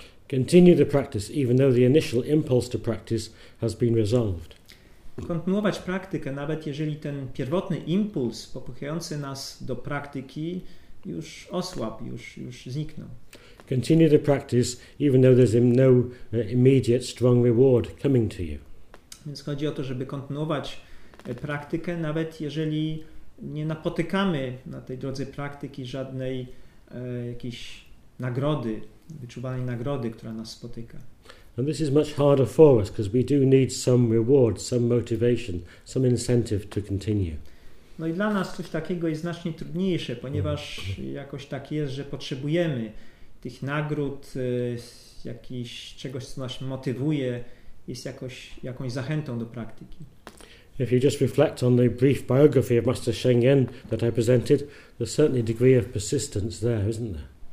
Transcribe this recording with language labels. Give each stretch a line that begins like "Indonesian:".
English: Continue the practice, even though the initial impulse to practice has been resolved.
Polish: Kontynuować praktykę, nawet jeżeli ten pierwotny impuls popychający nas do praktyki już osłabł, już zniknął.
English: Continue the practice, even though there's no immediate strong reward coming to you.
Polish: Więc chodzi o to, żeby kontynuować praktykę, nawet jeżeli nie napotykamy na tej drodze praktyki żadnej jakiejś nagrody, wyczuwanej nagrody, która nas spotyka.
English: And this is much harder for us, because we do need some reward, some motivation, some incentive to continue.
Polish: No i dla nas coś takiego jest znacznie trudniejsze, ponieważ jakoś tak jest, że potrzebujemy tych nagród, jakiś czegoś, co nas motywuje, jest jakąś zachętą do praktyki.
English: If you just reflect on the brief biography of Master Sheng Yen that I presented, there's certainly a degree of persistence there, isn't there?